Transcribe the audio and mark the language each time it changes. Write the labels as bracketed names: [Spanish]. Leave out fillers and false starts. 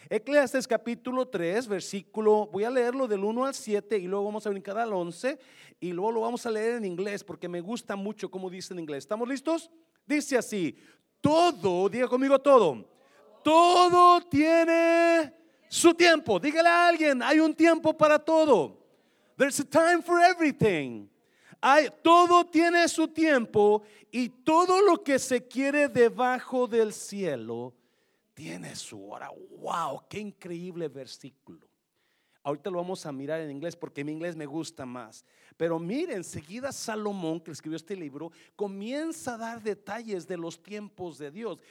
[Spanish] Eclesiastés capítulo 3, versículo, voy a leerlo del 1 al 7 y luego vamos a brincar al 11 y luego lo vamos a leer en inglés porque me gusta mucho cómo dice en inglés. ¿Estamos listos? Dice así, todo, diga conmigo todo, todo tiene su tiempo. Dígale a alguien, hay un tiempo para todo. [English] There's a time for everything. [Spanish] Todo tiene su tiempo y todo lo que se quiere debajo del cielo tiene su hora. Wow, qué increíble versículo. Ahorita lo vamos a mirar en inglés porque mi inglés me gusta más. Pero miren, enseguida Salomón, que escribió este libro, comienza a dar detalles de los tiempos de Dios.